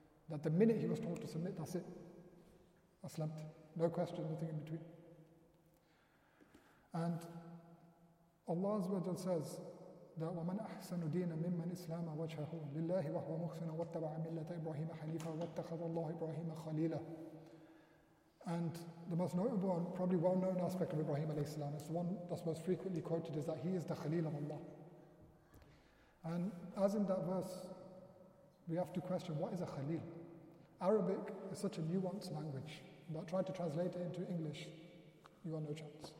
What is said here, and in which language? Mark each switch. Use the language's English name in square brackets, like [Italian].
[English] That the minute he was told to submit, that's it. Aslamt. No question, nothing in between. And Allah says that [Arabic] وَمَنْ أَحْسَنُ دِينًا مِمَّنْ إِسْلَامًا وَجْهَهُ لِلَّهِ وَهُوَ مُخْسِنًا وَاتَّبَعَ مِلَّةَ إِبْرَاهِيمَ حَنِيفًا وَاتَّخَذَ اللَّهُ إِبْرَاهِيمَ خَلِيلًا. [English] And the most notable and probably well-known aspect of Ibrahim alayhi salam, it's the one that's most frequently quoted, is that he is the Khalil of Allah. And as in that verse, we have to question, what is a Khalil? Arabic is such a nuanced language that trying to translate it into English, you got no chance.